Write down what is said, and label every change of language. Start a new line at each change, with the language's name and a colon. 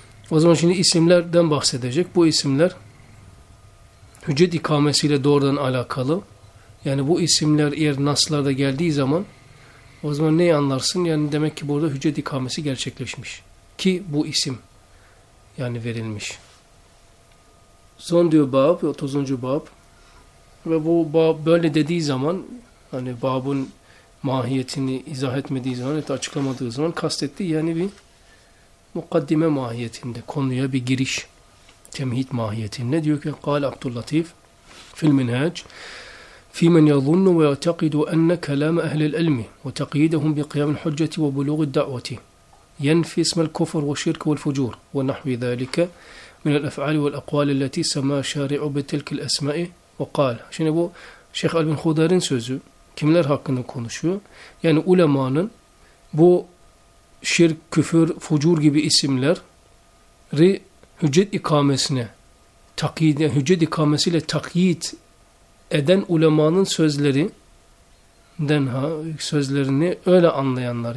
Turkish: O zaman şimdi isimlerden bahsedecek. Bu isimler hüccet ikamesiyle doğrudan alakalı. Yani bu isimler eğer naslarda geldiği zaman o zaman neyi anlarsın? Yani demek ki burada hüccet ikamesi gerçekleşmiş. Ki bu isim yani verilmiş. Son diyor bab, 30. bab. Ve bu bab böyle dediği zaman, hani babın mahiyetini izah etmediği zaman, açıklamadığı zaman kastettiği yani bir mukaddime mahiyetinde, konuya bir giriş, temhid mahiyetinde diyor ki,
Arabic: قال Abdüllatif fil minhaj في من يظن ويعتقد أن كلام أهل العلم وتقييدهم بقيام الحجة وبلوغ الدعوة ينفي اسم الكفر والشرك والفجور ونحو ذلك من الأفعال والأقوال التي سما شارع بتلك الأسماء وقال.
Turkish: Şimdi bu Şeyh Albin Hudar'ın sözü, kimler hakkında konuşuyor? Yani ulemanın bu şirk, küfür, fucur gibi isimleri hüccet ikamesine takyid, yani hüccet ikamesiyle takyid eden ulemanın sözlerinden sözlerini öyle anlayanlar.